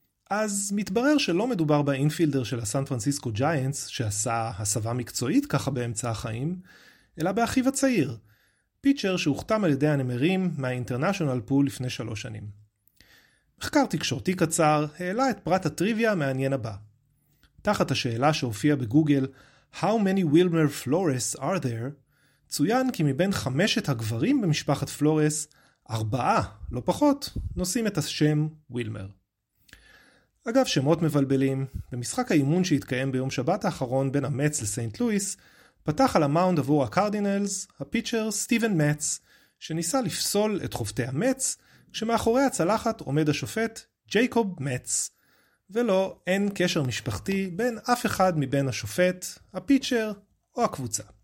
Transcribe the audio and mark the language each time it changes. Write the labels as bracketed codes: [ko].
[he] אז מתברר שלא מדובר באינפילדר של הסן פרנסיסקו ג'יינטס, שעשה הסבה מקצועית ככה באמצע החיים, אלא באחיו הצעיר, פיצ'ר שהוכתם על ידי הנמרים מהאינטרנשיונל פול לפני 3 שנים. מחקר תקשורתי קצר העלה את פרט הטריוויה המעניין הבא. תחת השאלה שהופיע בגוגל, [en] How many Wilmer Flores are there? [he] צוין כי מבין 5 הגברים במשפחת פלורס, 4, לא פחות, נושאים את השם וילמר. אגב, שמות מבלבלים, במשחק האימון שהתקיים ביום שבת האחרון בין המץ לסיינט לואיס, פתח על המאונד עבור הקרדינלס, הפיצ'ר סטיבן מץ, שניסה לפסול את חובתי המץ, כשמאחורי הצלחת עומד השופט ג'ייקוב מץ, ולא, אין קשר משפחתי בין אף אחד מבין השופט, הפיצ'ר או הקבוצה.